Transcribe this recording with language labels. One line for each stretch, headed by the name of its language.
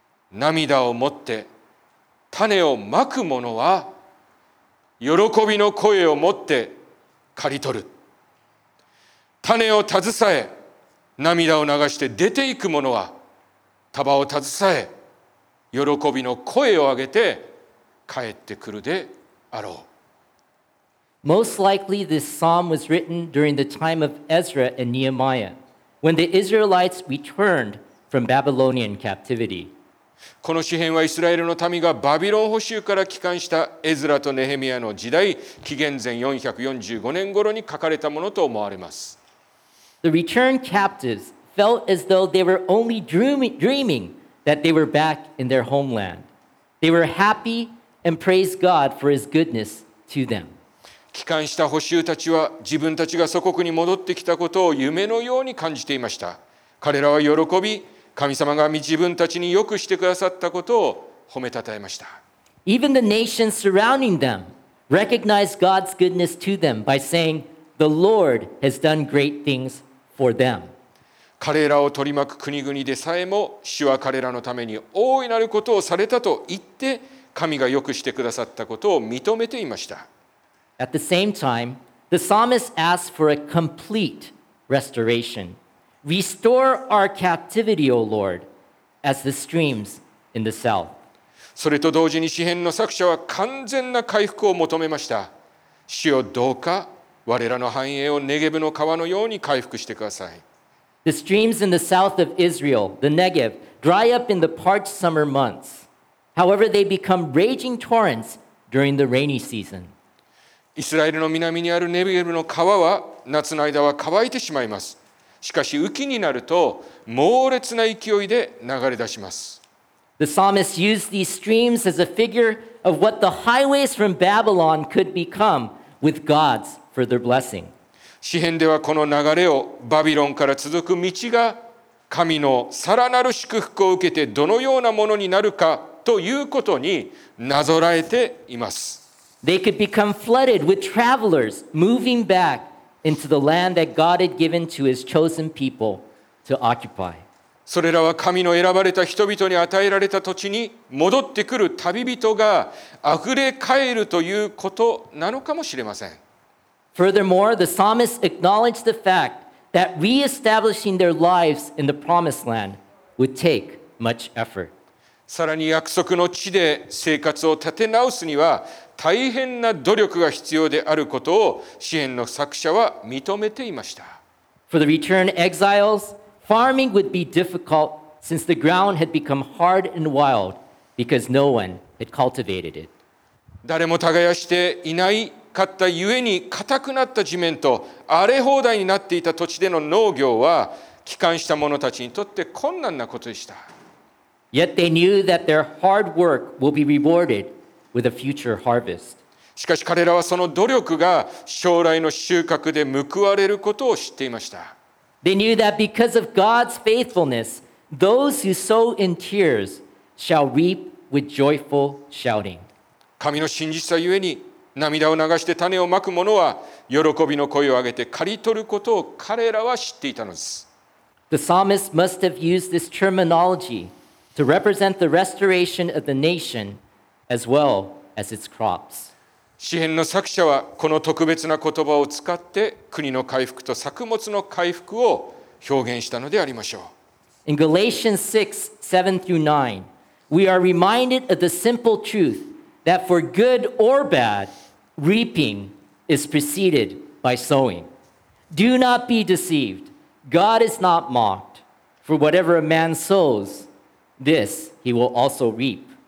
Japanese: 涙をもって種をまく者は喜びの声をもって刈り取る。種を携え涙を流して出ていく者は束を携え喜びの声を上げて帰ってくるであろう。
English: Most likely this psalm was written during the time of Ezra and Nehemiah when the Israelites returned from Babylonian captivity.
Japanese: この詩編はイスラエルの民がバビロン捕囚から帰還したエズラとネヘミヤの時代、紀元前445年頃に書かれたものと思われます。
English: The returned captives felt as though they were only dreaming that they were back in their homeland. They were happy and praised God for his goodness to them.
Japanese: 帰還した捕囚たちは自分たちが祖国に戻ってきたことを夢のように感じていました。彼らは喜び、神様が自分たちに良くしてくださったことを褒めたたえました。
English: Even the nations surrounding them recognized God's goodness to them by saying,The Lord has done great things for them.
Japanese: 彼らを取り巻く国々でさえも主は彼らのために大いなることをされたと言って神が良くしてくださったことを認めていました。
English: At the same time, the psalmist asks for a complete restoration. Restore our captivity, O Lord, as the streams in the south.
Japanese: それと同時に詩編の作者は完全な回復を求めました。主よ、どうか我らの繁栄をネゲブの川のように回復してください。
English: The streams in the south of Israel, the Negev, dry up in the parched summer months. However, they become raging torrents during the rainy season.
Japanese: イスラエルの南にあるネゲブの川は夏の間は乾いてしまいます。しかし雨季になると猛烈な勢いで流れ出します。
English: The psalmist used these streams as a figure of what the highways from Babylon could become with God's. For their blessing.
Japanese: 詩編ではこの流れをバビロンから続く道が神のさらなる祝福を受けてどのようなものになるかということになぞらえています。
English: They could become flooded with travelers moving back into the land that God had given to his chosen people to occupy.
Japanese: それらは神の選ばれた人々に与えられた土地に戻ってくる旅人があふれ返るということなのかもしれません。
English: Furthermore, the psalmist acknowledged the fact that re-establishing their lives in the promised land would take much effort.
Japanese: さらに約束の地で生活を立て直すには大変な努力が必要であることを詩編の作者は認めていました。
English: For the returned exiles, farming would be difficult since the ground had become hard and wild because no one had cultivated it.
Japanese: 誰も耕していないかったゆえに硬くなった地面と荒れ放題になっていた土地での農業は帰還した者たちにとって困難なことでした。
English: Yet they knew that their hard work will be rewarded with a future harvest.
Japanese: しかし彼らはその努力が将来の収穫で報われることを知っていました。
English: They knew that because of God's faithfulness, those who sow in tears shall reap with joyful shouting.
Japanese: 神の真実さゆえに涙を流して種をまく者は喜びの声を上げて刈り取ることを彼らは知っていたのです。
English: The psalmist must have used this terminology. To represent the restoration of the nation as well as its crops.
Japanese: 詩編の作者はこの特別な言葉を使って国の回復と作物の回復を表現したのでありましょう。
English: In Galatians 6:7-9, we are reminded of the simple truth that for good or bad, reaping is preceded by sowing. Do not be deceived. God is not mocked. For whatever a man sows,This he will also reap.